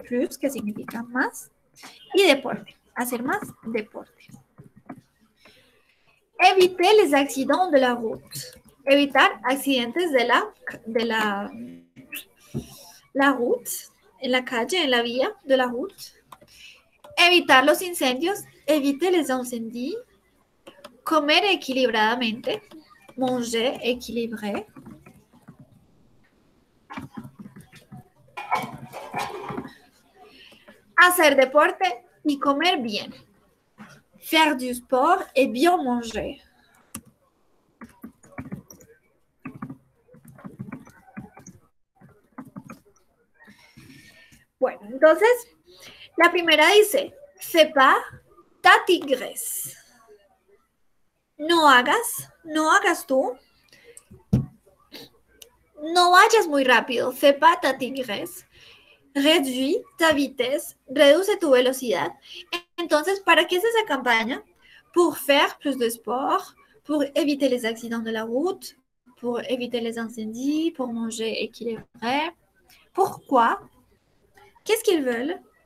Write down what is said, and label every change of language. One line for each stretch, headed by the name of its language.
Spanish: Plus, que significa más. Y deporte. Hacer más deporte.
French: Éviter les accidents de la route.
Spanish: Evitar accidentes de la route. En la calle, en la vía de la route. Evitar los incendios.
French: Éviter les incendies.
Spanish: Comer equilibradamente,
French: manger équilibré.
Spanish: Hacer deporte y comer bien.
French: Faire du sport et bien manger.
Spanish: Bueno, entonces, La primera dice,
French: fais pas ta tigresse.
Spanish: No hagas tú. No vayas muy rápido,
French: fais pas ta tigresse. Réduis ta vitesse,
Spanish: reduce tu velocidad. Entonces, ¿para qué es esa campaña?
French: Pour faire plus de sport, pour éviter les accidents de la route, pour éviter les incendies, pour manger équilibré. Pourquoi? Qu'est-ce qu'ils veulent?